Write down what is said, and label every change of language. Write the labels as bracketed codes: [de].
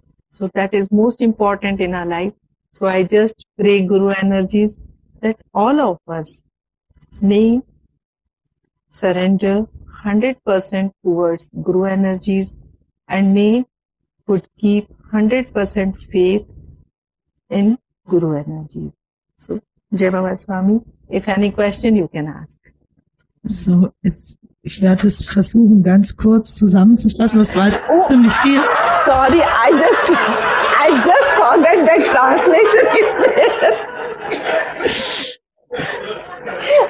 [en] So that is most important in our life. So I just pray Guru energies that all of us may surrender 100% towards Guru energies and may could keep 100% faith in Guru energies. So Jai Baba Swami, if any question you can ask. [de] So ich werde es versuchen, ganz kurz zusammenzufassen. Das war jetzt ziemlich viel. [en] Sorry, I just forgot that translation is there.